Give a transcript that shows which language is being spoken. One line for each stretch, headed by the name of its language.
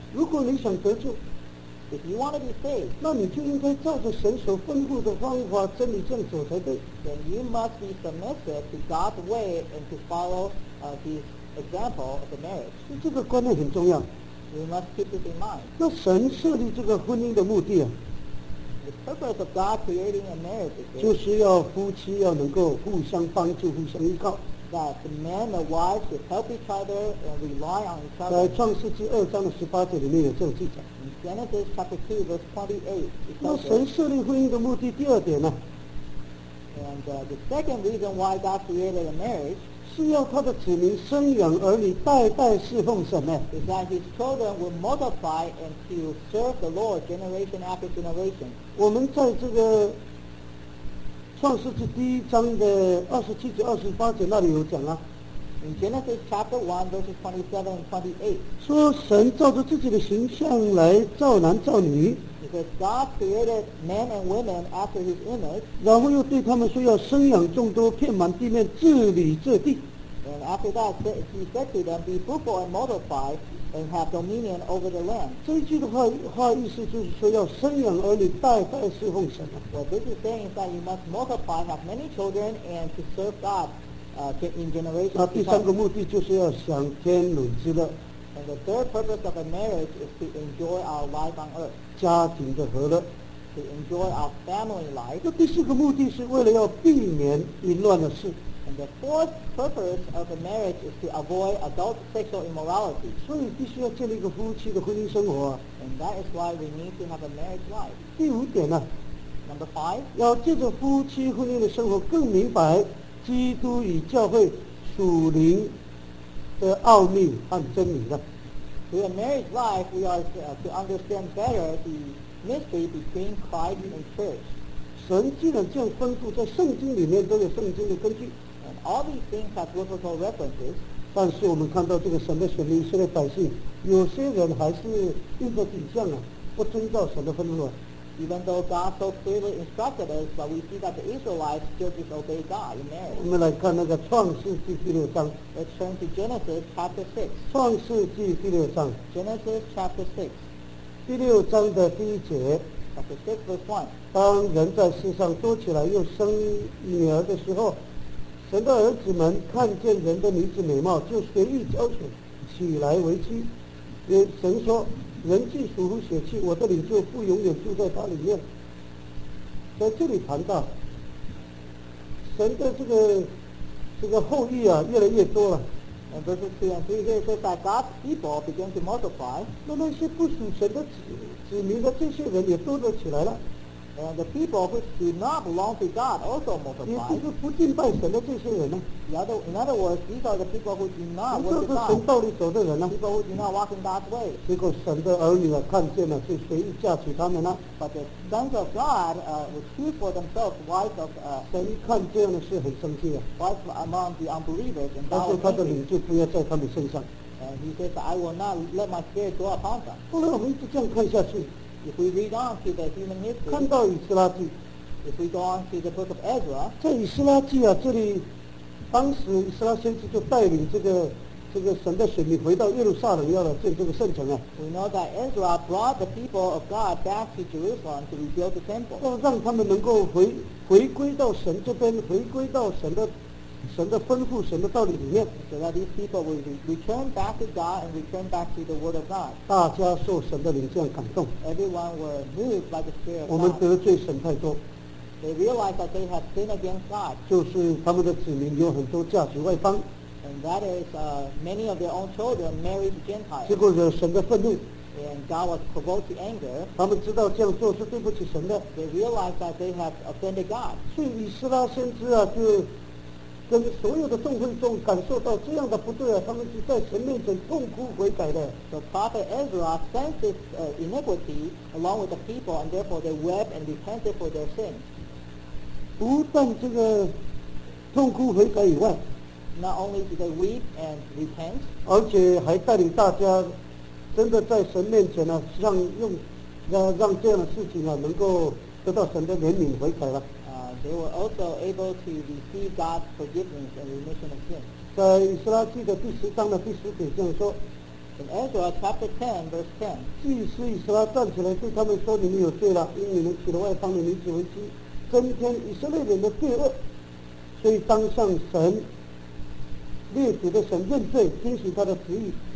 Chinese: 如果你想得救
English: if you want to be saved,
Chinese: 那你就应该照着神所吩咐的方法真理这样走才对。
English: Then you must be submissive to God's way and to follow His example of the marriage.
Chinese: 这个观念很重要。
English: We must keep this in mind.
Chinese: 那神设立这个婚姻的目的啊
English: the purpose of God creating a marriage is
Chinese: 就是要夫妻要能够互相帮助、互相依靠。
English: That the man and wife should help each other and rely on each other.
Chinese: 在创世纪二章的十八节里面有这种记载。
English: In Genesis chapter 2 verse 28.
Chinese: 那神设立婚姻的目的第二点呢？
English: And the second reason why God created a marriage
Chinese: 是要他的子民生养儿女，代代侍奉神呢。
English: Is that his children will multiply and to serve the Lord generation after generation.
Chinese: 我们在这个创世纪第一章的27-28节那里有讲啊。
English: In Genesis chapter 1 verses 27 and 28.
Chinese: 说神照着自己的形象来造男造女。
English: Because God created men and women after his image.
Chinese: 然后又对他们说要生养众多，遍满地面，治理这地。
English: And after that, he said to them, be fruitful and multiply and have dominion over the land.
Chinese: 这一句的 话意思就是说要生养儿女，代代侍奉神。
English: What this is saying is that you must multiply, have many children, and to serve God in generations.
Chinese: 那第三个目的就是要享天伦之乐。
English: And the third purpose of a marriage is to enjoy our life on earth.
Chinese: 家庭的和乐。
English: To enjoy our family life.
Chinese: 那第四个目的是为了要避免淫乱的事。
English: And the fourth purpose of a marriage is to avoid adult sexual immorality.
Chinese: 所以必须要建立一个夫妻的婚姻生活。
English: And that is why we need to have a marriage life.
Chinese: 第五点呢、啊、
English: Number five.
Chinese: 要借着夫妻婚姻的生活更明白基督与教会属灵的奥秘和真理的。
English: To a married life, we are to understand better the mystery between Christ and Church.
Chinese: 神既然这样吩咐，在圣经里面都有圣经的根据。
English: And all these things have biblical references.
Chinese: 但是我们看到这个神的选民，以色列百姓，有些人还是因着景象啊，不遵照神的吩咐。
English: Even though God so clearly instructed us, but we see that the Israelites still disobey God in marriage.
Chinese: 我们来看那个创世纪第六章。
English: Let's turn to Genesis chapter 6.
Chinese: 创世纪第六章。
English: Genesis chapter 6.
Chinese: 第六章的第一节。
English: Chapter 6 verse 1.
Chinese: 当人在世上多起来又生女儿的时候，神的儿子们看见人的女子美貌，就随意挑选起来为妻。神说人既属乎血气，我的灵就不永远住在他里面。在这里谈到神的这个后裔啊越来越多了。
English: And verses 2 and 3 here says that God's people began to multiply.
Chinese: 那些不属神的子民的这些人也多了起来了。
English: And the people who do not belong to God also multiply.
Chinese: 也就是不敬拜神的这些人呢。
English: In other words, these are the people who do not worship God.
Chinese: 是神道里走的人呢、啊、
English: People who do not walk in God's way.
Chinese: 结果神的儿女呢看见了，就随意嫁娶他们呢。
English: But the sons of God would choose for themselves wives of
Chinese: 神看见了是很生气啊。
English: Wives among the unbelievers.
Chinese: 但是他的灵就不要在他们身上。
English: And he says, I will not let my spirit go upon them.
Chinese: 后来我们一直这样看下去。
English: If we read on to the human history.
Chinese: 看到以斯拉记。
English: If we go on to the book of Ezra.
Chinese: 在以斯拉记啊这里当时以斯拉先知就带领这个神的选民回到耶路撒冷，要来建这个圣城啊。
English: We know that Ezra brought the people of God back to Jerusalem to rebuild the temple.
Chinese: 要让他们能够回归到神这边，回归到神的吩咐，神的道理里面。
English: So that these people will return back to God and return back to the Word of God.
Chinese: 大家受神的灵这样感动。
English: Everyone were moved by the Spirit of God.
Chinese: 我们得罪神太多。
English: They realize that they have sinned against God.
Chinese: 就是他们的子民有很多嫁娶外邦。
English: And that is many of their own children married Gentiles.
Chinese: 结果惹神的愤怒。
English: And God was provoked to anger.
Chinese: 他们知道这样做是对不起神的。
English: They realize that they have offended God.
Chinese: 所以以斯拉先知啊，就跟所有的众会众感受到这样的不对啊，他们就在神面前痛哭悔改的。
English: So Prophet Ezra senses iniquity along with the people, and therefore they wept and repented for their sins.
Chinese: 不但这个痛哭悔改以外
English: ，Not only did they weep and repent，
Chinese: 而且还带领大家真的在神面前呢、啊，让这样的事情啊能够得到神的怜悯悔改了。
English: They were also able to receive God's forgiveness and remission of sin。
Chinese: 在以斯拉记的第十章的第十节这样说
English: ，In Ezra chapter 10 verse 10，
Chinese: 祭司以斯拉站起来对他们说：“你们有罪了，因为你们娶了外邦的女子为妻。” 增添以色列人的罪恶，所以当向神列祖的神认罪，遵循他的旨意。